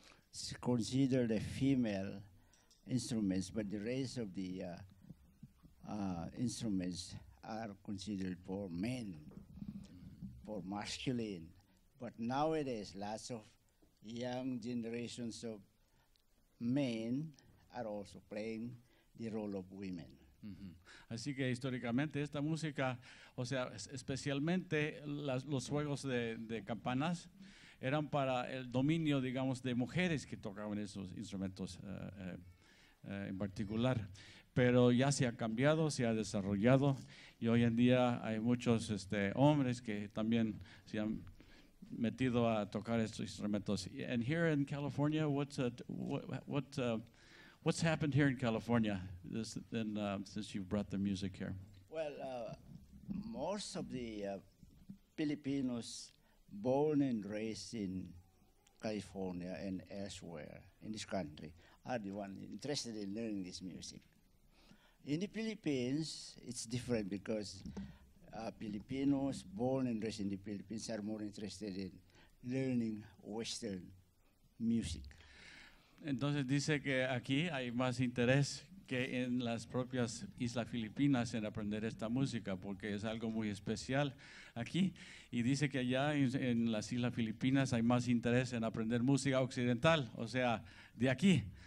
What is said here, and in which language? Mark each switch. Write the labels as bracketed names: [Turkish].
[English] It's considered a female instrument, but the rest of the instruments are considered for men, for masculine. But nowadays, lots of young generations of men are also playing the role of women. Mm-hmm. [Spanish] Así que históricamente esta música, o sea, especialmente los juegos de campanas, eran para el dominio, digamos, de mujeres que tocaban esos instrumentos en particular. Pero ya se ha cambiado, se ha desarrollado, y hoy en día hay muchos hombres que también se han metido a tocar estos instrumentos. [English] And here in California, what's happened here in California since you've brought the music here? Well, most of the Filipinos born and raised in California and elsewhere in this country are the ones interested in learning this music. In the Philippines, it's different because Filipinos born and raised in the Philippines are more interested in learning Western music. [Spanish] Entonces dice que aquí hay más interés que en las propias Islas Filipinas en aprender esta música, porque es algo muy especial aquí. Y dice que allá en las Islas Filipinas hay más interés en aprender música occidental, o sea, de aquí.